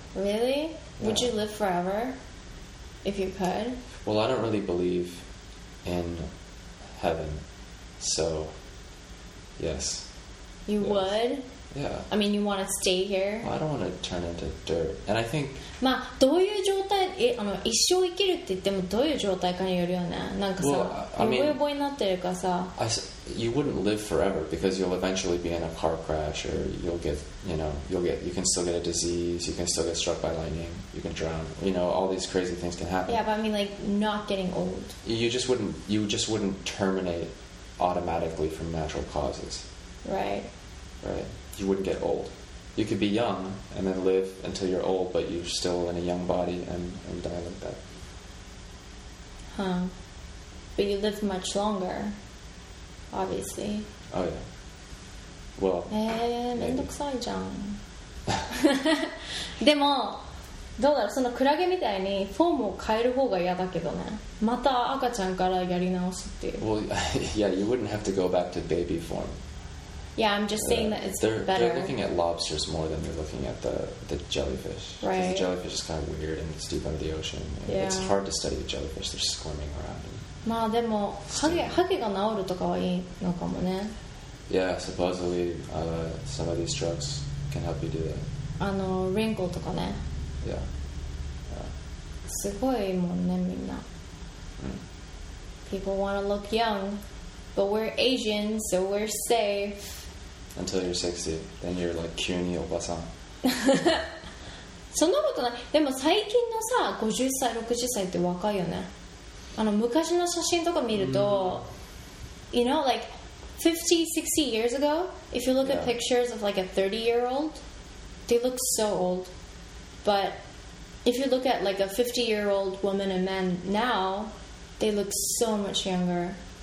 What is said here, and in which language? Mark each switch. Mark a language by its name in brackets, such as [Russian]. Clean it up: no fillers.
[English] Really? Yeah. Would you live forever if you could? Well, I don't really believe in heaven, so yes. You yes. would? Yeah. I mean, you want to stay here? Well, I don't want to turn into dirt. And I think... [Japanese] まあ、どういう状態、え、あの、一生生きるって言ってもどういう状態かによるよね。なんかさ、ヨボヨボになってるかさ。 [English] You wouldn't live forever because you'll eventually be in a car crash or you can still get a disease, you can still get struck by lightning, you can drown. You know, all these crazy things can happen. Yeah, but I mean like not getting old. You just wouldn't terminate automatically from natural causes. Right. Right. You wouldn't get old. You could be young and then live until you're old, but you're still in a young body and die like that. Huh. But you live much longer, obviously. Oh, yeah. Well, [Japanese] めんどくさいじゃん。でも、どうだろう、そのクラゲみたいにフォームを変える方が嫌だけどね。また赤ちゃんからやり直すっていう。 [English] Well, yeah, you wouldn't have to go back to baby form. Yeah, I'm just saying that it's better. They're looking at lobsters more than they're looking at the jellyfish. Right. Because the jellyfish is kind of weird and it's deep under the ocean. Yeah. It's hard to study the jellyfish. They're squirming around. [Japanese] まあでも、ハゲが治るとかはいいのかもね。 [English] Yeah, supposedly, some of these drugs can help you do that. [Japanese] あの、wrinkle とかね。 [English] Yeah. [Japanese] すごいもんね、みんな。 [English] People want to look young. But we're Asian, so we're safe. Until you're 60, then you're like CUNY おばさん。 [Japanese] そんなことない。でも最近のさ、50歳、60歳って若いよね。あの、昔の写真とか見ると、mm-hmm. [English] You know, like 50, 60 years ago, if you look at pictures of like a 30-year-old, they look so old. But if you look at like a 50-year-old woman and man now, they look so much younger.